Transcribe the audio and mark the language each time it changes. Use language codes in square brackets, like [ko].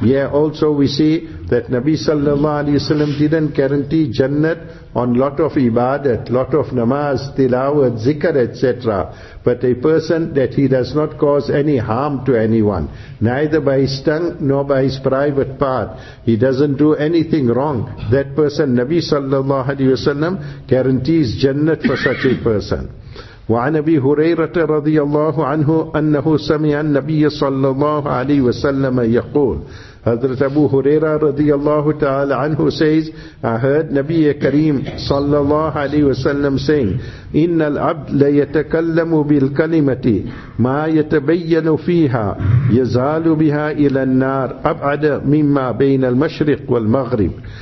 [en] Yeah, also we see that Nabi sallallahu alayhi wa sallam didn't guarantee Jannah on lot of ibadat, lot of namaz, tilawat, zikr, etc. But a person that he does not cause any harm to anyone, neither by his tongue nor by his private part, he doesn't do anything wrong, that person Nabi sallallahu alayhi wa sallam guarantees Jannah for such a person. [ar] وعن أبي هريرة رضي الله عنه أنه سمع النبي صلى الله عليه وسلم يقول. [en] Hazrat Abu Huraira radiyallahu ta'ala anhu says, I heard Nabiya Kareem sallallahu alayhi wa sallam saying, [ar] إِنَّ الْعَبْدْ لَيَتَكَلَّمُ بِالْكَلِمَةِ مَا يَتَبَيَّنُ فِيهَا يَزَالُ بِهَا إِلَى النَّارِ أَبْعَدَ مِمَّا بَيْنَ الْمَشْرِقِ وَالْمَغْرِبِ.